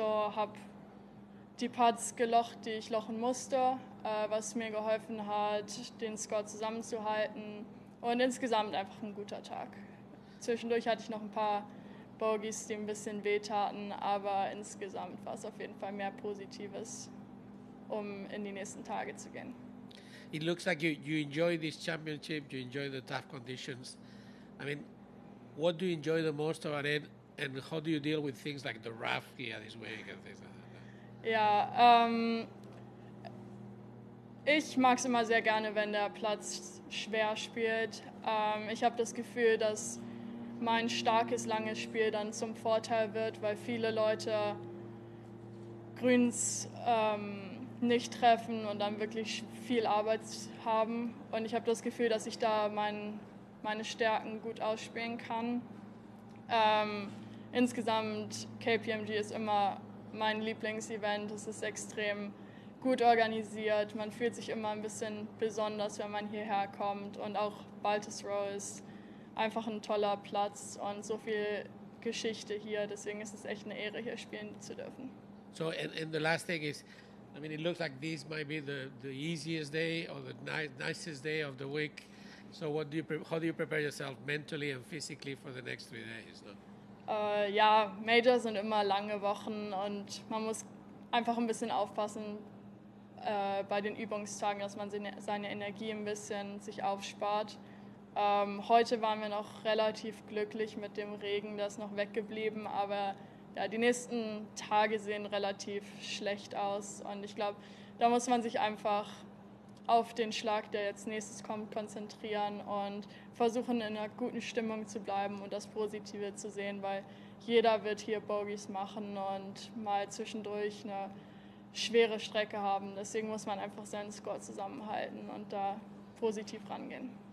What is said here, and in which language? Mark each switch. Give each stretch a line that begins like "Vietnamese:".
German: Ich habe die Putts gelocht, die ich lochen musste, was mir geholfen hat, den Score zusammenzuhalten. Und insgesamt einfach ein guter Tag. Zwischendurch hatte ich noch ein paar Bogies, die ein bisschen wehtaten, aber insgesamt war es auf jeden Fall mehr Positives, um in die nächsten Tage zu gehen.
English: It looks like you enjoy this championship, you enjoy the tough conditions. I mean, what do you enjoy the most about it, and how do you deal with things like the rough here this week and things like that?
German: Yeah, ich mag es immer sehr gerne, wenn der Platz schwer spielt. Ich habe das Gefühl, dass mein starkes, langes Spiel dann zum Vorteil wird, weil viele Leute Grüns nicht treffen und dann wirklich viel Arbeit haben. Und ich habe das Gefühl, dass ich da meine Stärken gut ausspielen kann. Insgesamt, KPMG ist immer mein Lieblingsevent. Es ist extrem gut organisiert. Man fühlt sich immer ein bisschen besonders, wenn man hierher kommt. Und auch Baltusrow ist einfach ein toller Platz und so viel Geschichte hier. Deswegen ist es echt eine Ehre, hier spielen zu dürfen.
English: So, and the last thing is, I mean, it looks like this might be the easiest day or the nicest day of the week. So, how do you prepare yourself mentally and physically for the next 3 days? No?
German: Ja, Majors sind immer lange Wochen und man muss einfach ein bisschen aufpassen bei den Übungstagen, dass man seine Energie ein bisschen sich aufspart. Heute waren wir noch relativ glücklich mit dem Regen, der ist noch weggeblieben, aber ja, die nächsten Tage sehen relativ schlecht aus und ich glaube, da muss man sich einfach auf den Schlag, der jetzt nächstes kommt, konzentrieren und versuchen, in einer guten Stimmung zu bleiben und das Positive zu sehen, weil jeder wird hier Bogies machen und mal zwischendurch eine schwere Strecke haben, deswegen muss man einfach seinen Score zusammenhalten und da positiv rangehen.